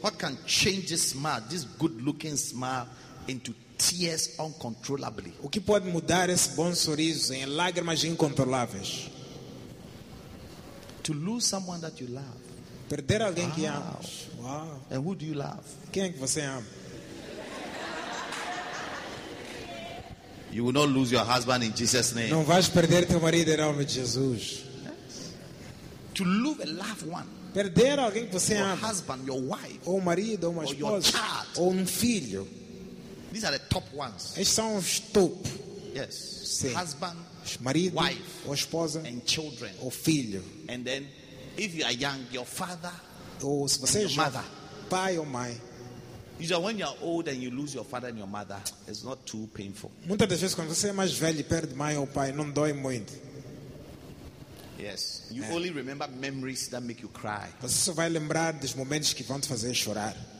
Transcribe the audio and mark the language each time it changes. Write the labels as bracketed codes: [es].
[en] What can change this smile, this good-looking smile, into tears uncontrollably? [pt] O que pode mudar esse bom sorriso em lágrimas incontroláveis? [en] To lose someone that you love. [pt] Perder alguém que amas. [en] Wow. And who do you love? [pt] Quem é que você ama? [en] You will not lose your husband in Jesus' name. [pt] Não vais perder teu marido em nome de Jesus. [en] To lose a loved one. [pt] Perder alguém que você ama. [en] Your husband, your wife. [pt] Ou marido, ou uma [en] or [pt] esposa. [en] Your child. [pt] Ou filho. [en] These are the top ones. [pt] Estes são os top. [en] Yes. [pt] Sim. [en] Husband, [pt] marido, [en] wife, [pt] ou esposa, [en] and children. [pt] Ou filho. [en] And then if you are young, your father, [pt] ou se você [en] your mother, [pt] pai ou mãe. [en] You know, when you are old and you lose your father and your mother, it's not too painful. [pt] Muitas das vezes quando você é mais velho e perde mãe ou pai, não dói muito. [en] Yes, you only remember memories that make you cry. [pt] Você só vai lembrar dos momentos que vão te fazer chorar.